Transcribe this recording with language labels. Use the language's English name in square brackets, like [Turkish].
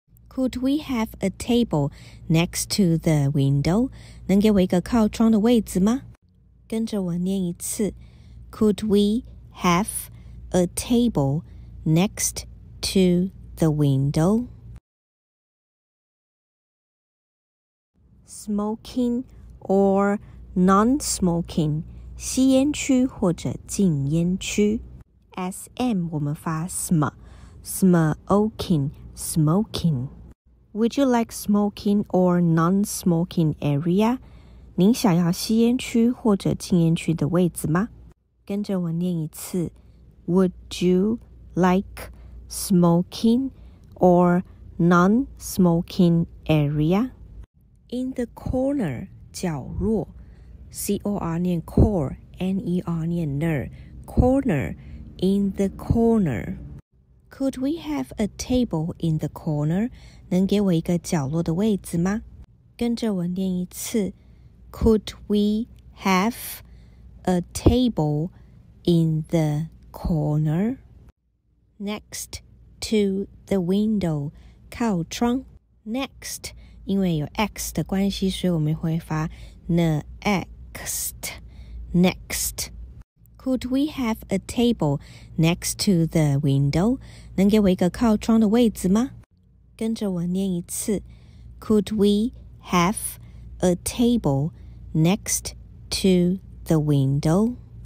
[English] Could we have a table next to the window? [Chinese] 能给我一个靠窗的位置吗？跟着我念一次。 [English] Could we have a table next to the window? Smoking or non-smoking, [Chinese] 吸烟区或者禁烟区。 [English] SM [Chinese] 我们发 [English] sm, smoking, smoking. Would you like smoking or non-smoking area? [Chinese] 您想要吸烟区或者禁烟区的位置吗？跟着我念一次。 [English] Would you like smoking or non-smoking area? In the corner, 角落 C-O-R 念 core, N-E-R 念 ner, corner, in the corner. Could we have a table in the corner? [Chinese] 能给我一个角落的位置吗？跟着我念一次。 [English] Could we have a table in the corner? Next to the window, 靠窗。 [Chinese] Next, 因为有 X 的关系，所以我们会发 next, next. [English] Could we have a table next to the window? [Chinese] 能给我一个靠窗的位置吗？跟着我念一次。 [English] Could we have a table next to the window?